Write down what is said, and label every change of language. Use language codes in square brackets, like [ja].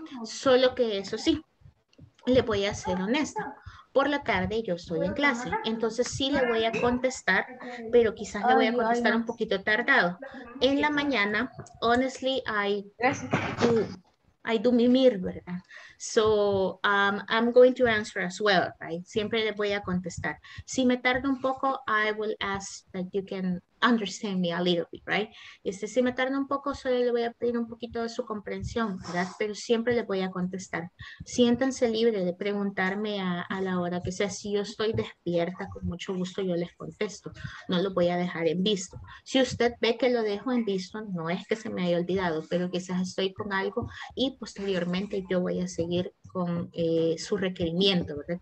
[es] Solo que eso sí, le voy a ser honesta. Por la tarde yo estoy en clase, entonces sí le voy a contestar, pero quizás le voy a contestar un poquito tardado. En la mañana, [en] honestly, I do [es] mimir, ¿verdad? [en] So, I'm going to answer as well, right? Siempre le voy a contestar. [es] Si me tarda un poco, [en] I will ask that you can understand me a little bit, right? [es] Si me tarda un poco, solo le voy a pedir un poquito de su comprensión, ¿verdad? Pero siempre le voy a contestar. Siéntanse libres de preguntarme a la hora que sea. Si yo estoy despierta, con mucho gusto yo les contesto. No lo voy a dejar en visto. Si usted ve que lo dejo en visto, no es que se me haya olvidado, pero quizás estoy con algo y posteriormente yo voy a seguir con su requerimiento, ¿verdad?